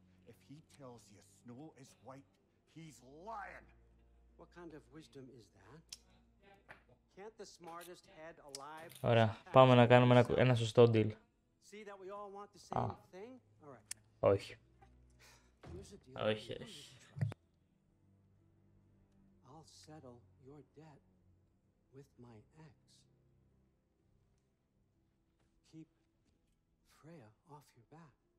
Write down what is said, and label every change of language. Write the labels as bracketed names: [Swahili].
[English] If he tells you snow is white, he's lying. What kind of wisdom is that? Can't the smartest head alive? [Greek] Ωραία, πάμε να κάνουμε ένα σωστό deal. [English] See that we all want the same thing? All right. [Greek] Όχι. Όχι. [English] I'll settle your debt with my ex. Keep Freya off your back.